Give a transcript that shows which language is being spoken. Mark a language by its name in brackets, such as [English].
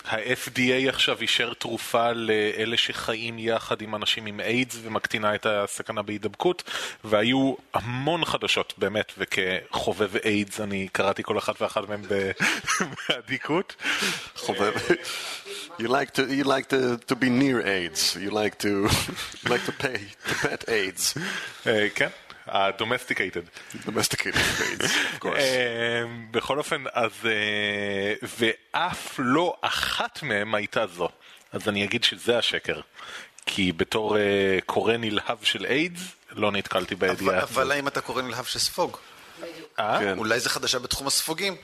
[Hebrew] ה-FDA עכשיו אישר תרופה לאלה שחיים יחד עם אנשים עם איידס ומקטינה את הסכנה בהידבקות, והיו המון חדשות, באמת, וכחובב איידס, אני קראתי כל אחת ואחת מהם בהדיקות. חובב. [English] You like to be near AIDS. You like to pay to pet AIDS. [Hebrew] כן. [English] domesticated. Domesticated, of course. [Hebrew] בכל אופן, אז ואף לא אחת מהם הייתה זו. אז אני אגיד שזה השקר. כי בתור קורא נלהב של איידס, לא נתקלתי בידיעה. אבל האם אתה קורא נלהב של ספוג? כן. אולי זה חדשה בתחום הספוגים?